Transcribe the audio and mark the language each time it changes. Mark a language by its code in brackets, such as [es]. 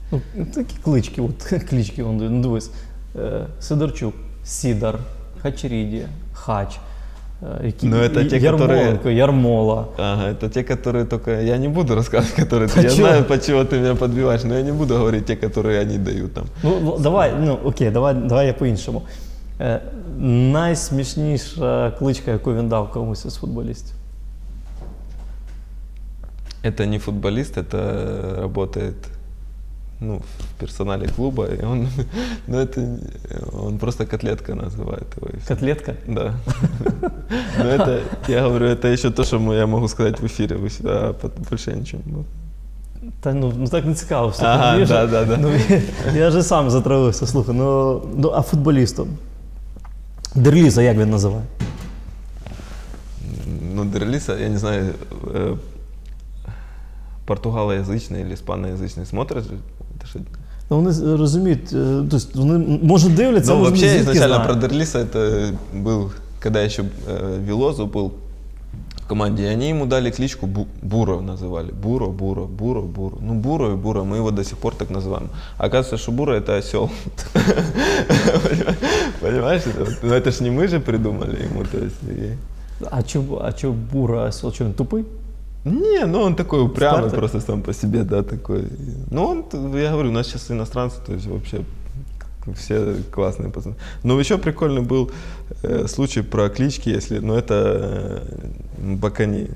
[ru] Ну, такие клички, вот клички он дает. [uk] Ну, дивись, [ru] Сидорчук, Сидор, Хачриди, Хач. Ну, это те, Ярмоленко, которые... Ярмола. Ага, это те, которые только... Я не буду рассказывать, которые... Да, я знаю, почему ты меня подбиваешь, но я не буду говорить те, которые они дают там. [uk] Ну, давай, ну, окей, давай я по-іншому. Найсмішніша кличка, яку він дав комусь із футболістів? [ru] Это не футболіст, это работает... Ну, в персонале клуба, и он, ну, это, он просто котлетка называет его. Котлетка? Да. Ну, это, я говорю, это еще то, что я могу сказать в эфире, вы сюда больше ничего. [uk] Та, ну, так не цікаво все. [ru] Ага, да. Ну, я же сам затравился, слухай, ну, а футболистом? [uk] Дерліза, як він називає? Ну, Дерліза, я не знаю, португалоязичний чи іспаноязичний смотрить? Ну, вони розуміють, тобто вони, може, дивляться, але звідки знають. Ну, взагалі, про Дерліза, це був, коли ще Вілозо був в команді, і вони йому дали кличку Буро називали. Буро, Буро, Буро, Буро. Ну, Буро і Буро, ми його до сих пор так називаємо. Оказується, що Буро — це осел. Понимаєш? Ну, це ж не ми же придумали йому. А чи Буро осел? Чи він тупий? [ru] Не, ну он такой упрямый Спартак. Просто сам по себе, да, такой. Ну он, я говорю, у нас сейчас иностранцы, то есть вообще все классные пацаны. Ну еще прикольный был случай про клички, если, ну это Бакани.